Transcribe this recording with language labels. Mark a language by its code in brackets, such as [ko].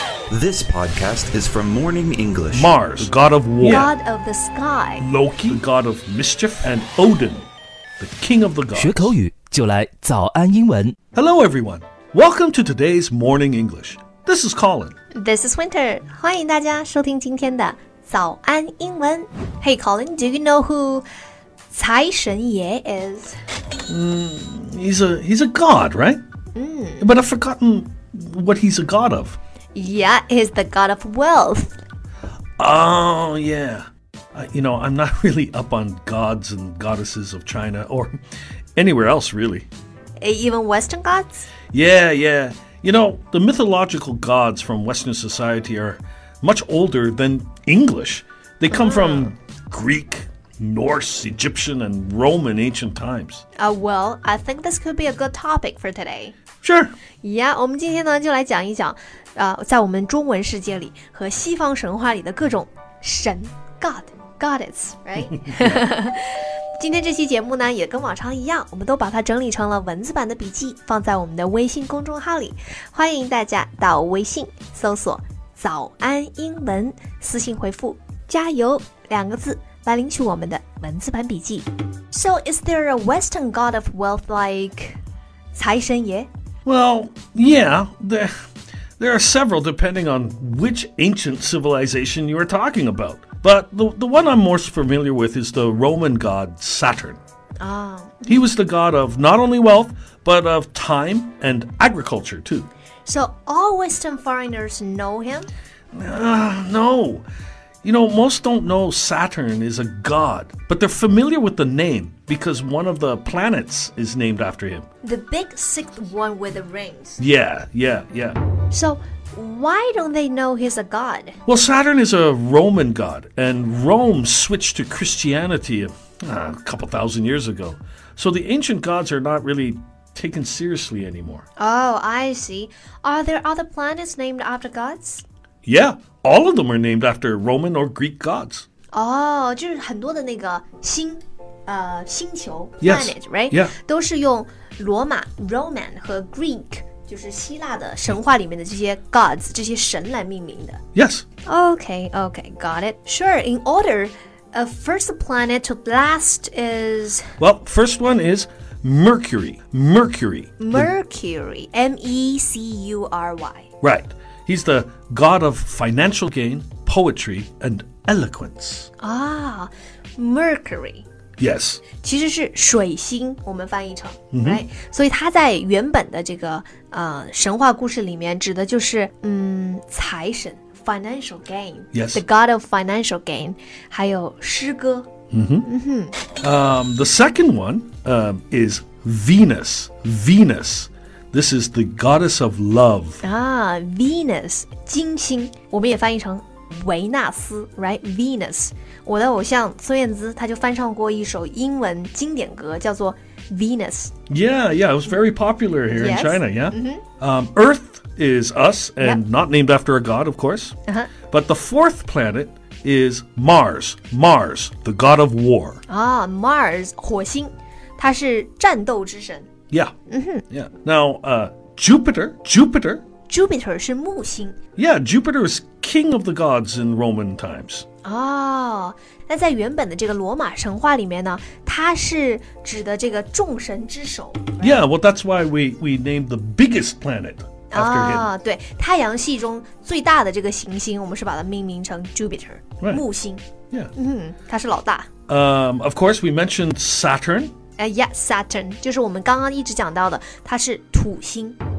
[en] This podcast is from Morning English. Mars, the god of war. Yeah. God of the sky. Loki, the god of mischief. And Odin, the king of the gods. [zh] 学口语就来早安英文。 [en] Hello everyone. Welcome to today's Morning English. This is Colin. This is Winter. [zh] 欢迎大家收听今天的早安英文。 [en] Hey Colin, do you know who 财神爷 is? He's a god, right? But I've forgotten what he's a god of. Yeah, he's the god of wealth. Oh, yeah. I'm not really up on gods and goddesses of China or anywhere else, really. Even Western gods? Yeah, yeah. You know, the mythological gods from Western society are much older than English. They come from Greek, Norse, Egyptian, and Roman ancient times. Well, I think this could be a good topic for today. Sure. [zh] Yeah, 我们今天呢就来讲一讲在我们中文世界里和西方神话里的各种神 God, Goddess, right? 今天这期节目呢也跟往常一样，我们都把它整理成了文字版的笔记，放在我们的微信公众号里，欢迎大家到微信搜索早安英文，私信回复加油两个字来领取我们的文字版笔记。 [en] So is there a Western god of wealth like [zh] 财神爷？ [en] Well, yeah, there are several depending on which ancient civilization you are talking about. But the one I'm most familiar with is the Roman god Saturn. He was the god of not only wealth, but of time and agriculture too. So all Western foreigners know him? No. You know, most don't know Saturn is a god, but they're familiar with the name because one of the planets is named after him. The big sixth one with the rings. Yeah. So why don't they know he's a god? Well, Saturn is a Roman god, and Rome switched to Christianity a couple thousand years ago. So the ancient gods are not really taken seriously anymore. Oh, I see. Are there other planets named after gods? Yeah, all of them are named after Roman or Greek gods. [zh] Oh, 就是很多的那个星星球 [en] planet, right? Yeah. [zh] 都是用罗马 Roman 和 Greek就是希腊的神话里面的这些 gods, 这些神来命名的。 [en] Yes. Okay, got it. Sure, in order, first planet to last is... Well, first one is Mercury. Mercury, M-E-C-U-R-Y. Right. He's the god of financial gain, poetry, and eloquence. Ah, Mercury. Yes. [zh] 其实是水星我们翻译成、mm-hmm. [en] right? [zh] 所以它在原本的这个神话故事里面指的就是财神 financial gain、 [en] yes. the god of financial gain [zh] 还有诗歌、 [en] The second one is Venus. This is the goddess of love. [zh] Venus 金星我们也翻译成维纳斯 right? Venus我的偶像孙燕姿她就翻唱过一首英文经典歌叫做 Venus. [en] Yeah, it was very popular here in China, yeah?、 Mm-hmm. Earth is us and、yep. not named after a god, of course.、 Uh-huh. But the fourth planet is Mars. Mars, the god of war. [zh] Mars, 火星它是战斗之神。 [en] Yeah.、 Mm-hmm. yeah. Now,、Jupiter. [zh] Jupiter 是木星。 [en] Yeah, Jupiter is king of the gods in Roman times. [zh] 那在原本的这个罗马神话里面呢它是指的这个众神之首、right? [en] Yeah, well that's why we named the biggest planet after him [zh] 对太阳系中最大的这个行星我们是把它命名成 Jupiter、 [en] right. [zh] 木星 [en] Yeah、 [zh] mm-hmm, 它是老大、 [en] Of course we mentioned Saturn [zh] Saturn 就是我们刚刚一直讲到的它是土星